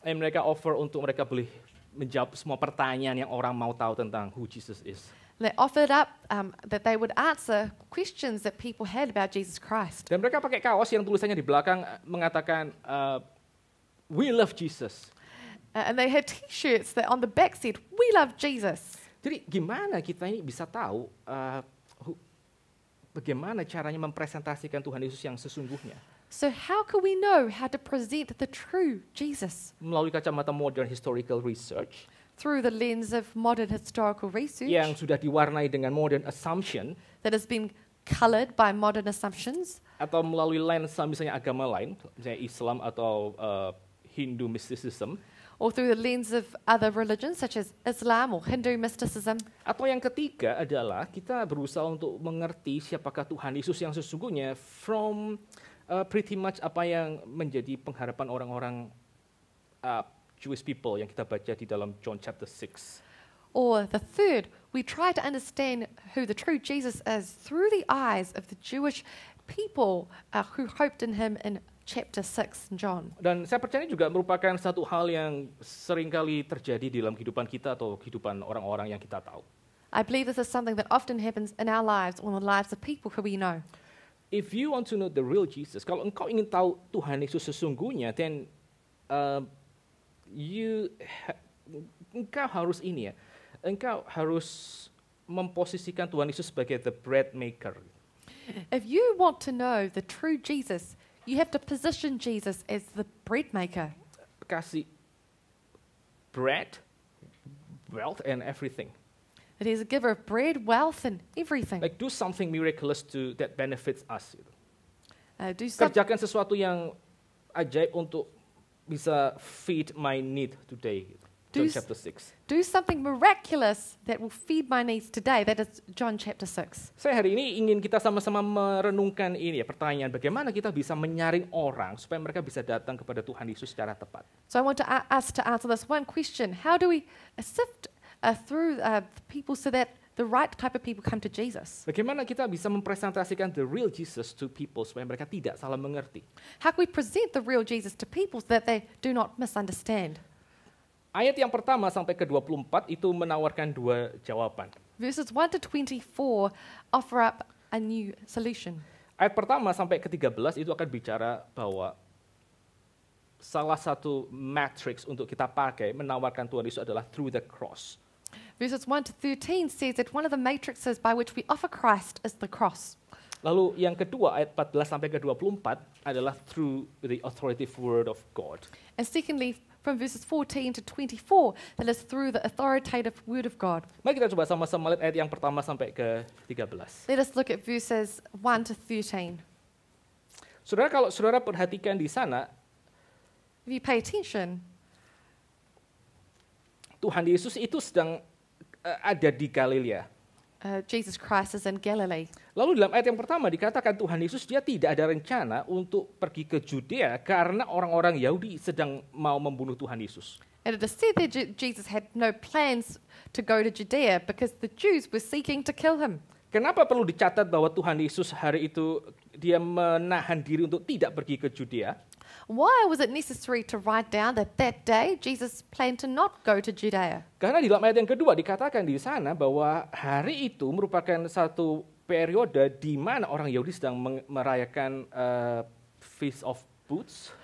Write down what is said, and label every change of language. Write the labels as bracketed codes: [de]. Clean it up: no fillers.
[id] And mereka offer untuk mereka boleh menjawab semua pertanyaan yang orang mau tahu tentang [en] who Jesus is. They offered up that they would answer questions that people had about Jesus Christ. [id] Dan mereka pakai kaos yang tulisannya di belakang mengatakan [en] we love Jesus. And they had t-shirts that on the back said we love Jesus. [id] Jadi gimana kita ini bisa tahu bagaimana caranya mempresentasikan Tuhan Yesus yang sesungguhnya? [en] So how can we know how to present the true Jesus? [id] Melalui kacamata [en] modern historical research. Through the lens of modern historical research. [id] Yang sudah diwarnai dengan [en] modern assumption. That has been colored by modern assumptions. [id] Atau melalui lensa misalnya agama lain, misalnya Islam atau Hindu mysticism. [en] Or through the lens of other religions such as Islam or Hindu mysticism. [id] Atau yang ketiga adalah kita berusaha untuk mengerti siapakah Tuhan Yesus yang sesungguhnya [en] from pretty much [id] apa yang menjadi pengharapan orang-orang [en] Jewish people [id] yang kita baca di dalam [en] John chapter 6. Or the third, we try to understand who the true Jesus is through the eyes of the Jewish people who hoped in him in chapter 6 in John. [id] Dan saya percaya juga merupakan satu hal yang seringkali terjadi di dalam kehidupan kita atau kehidupan orang-orang yang kita tahu. [en] I believe this is something that often happens in our lives or in the lives of people who we know. If you want to know the real Jesus, [id] kalau engkau ingin tahu Tuhan Yesus sesungguhnya, [en] then [id] engkau harus memposisikan Tuhan Yesus sebagai [en] the bread maker. If you want to know the true Jesus, you have to position Jesus as the bread maker. [id] Kasih [en] bread, wealth, and everything. That he is a giver of bread, wealth, and everything. Like do something miraculous to that benefits us. [id] Kerjakan sesuatu yang ajaib untuk bisa [en] feed my need today. John chapter 6. Do something miraculous that will feed my needs today. That is John chapter 6. [id] Saya hari ini ingin kita sama-sama merenungkan ini ya, pertanyaan bagaimana kita bisa menyaring orang supaya mereka bisa datang kepada Tuhan Yesus secara tepat. [en] So I want to ask to answer this one question. How do we sift through the people so that the right type of people come to Jesus? [id] Bagaimana kita bisa mempresentasikan [en] the real Jesus to people [id] supaya mereka tidak salah mengerti? [en] How can we present the real Jesus to people so that they do not misunderstand? [id] Ayat yang pertama sampai ke 24 itu menawarkan dua jawaban. [en] Verses 1 to 24 offer up a new solution. [id] Ayat pertama sampai ke 13 itu akan bicara bahwa salah satu matrix untuk kita pakai menawarkan Tuhan Yesus adalah [en] through the cross. Verses 1 to 13 says that one of the matrixes by which we offer Christ is the cross. [id] Lalu yang kedua ayat 14 sampai ke 24 adalah [en] through the authoritative word of God. And secondly, from verses 14 to 24, that is through the authoritative word of God. [id] Mari kita coba sama-sama lihat ayat yang pertama sampai ke 13. [en] Let us look at verses 1 to 13. [id] Saudara, kalau saudara perhatikan di sana, [en] if you pay attention, [id] Tuhan Yesus itu sedang ada di Galilea. [en] Jesus Christ is in Galilee. [id] Lalu dalam ayat yang pertama dikatakan Tuhan Yesus dia tidak ada rencana untuk pergi ke Judea karena orang-orang Yahudi sedang mau membunuh Tuhan Yesus. [en] And it is said that Jesus had no plans to go to Judea because the Jews were seeking to kill him. [id] Kenapa perlu dicatat bahwa Tuhan Yesus hari itu dia menahan diri untuk tidak pergi ke Judea? [en] Why was it necessary to write down that that day Jesus planned to not go to Judea? [id] Karena di dalam ayat yang kedua dikatakan di sana bahwa hari itu merupakan satu periode di mana orang Yahudi sedang merayakan Feast of Booths.